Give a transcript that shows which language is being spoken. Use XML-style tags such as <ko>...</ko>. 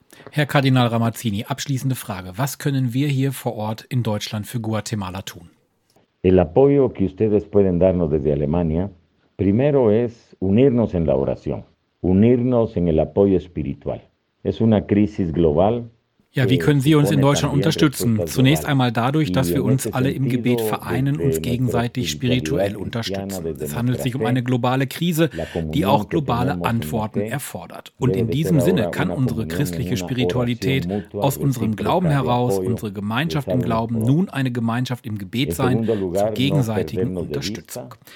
<de>Herr Kardinal Ramazzini, abschließende Frage. Was können wir hier vor Ort in Deutschland für Guatemala tun?</de> <es>El apoyo que ustedes pueden darnos desde Alemania, primero es unirnos en la oración, unirnos en el apoyo espiritual. Es una crisis global.</es> <de>Ja, wie können Sie uns in Deutschland unterstützen? Zunächst einmal dadurch, dass wir uns alle im Gebet vereinen, uns gegenseitig spirituell unterstützen. Es handelt sich um eine globale Krise, die auch globale Antworten erfordert. Und in diesem Sinne kann unsere christliche Spiritualität aus unserem Glauben heraus, unsere Gemeinschaft im Glauben, nun eine Gemeinschaft im Gebet sein, zur gegenseitigen Unterstützung.</de>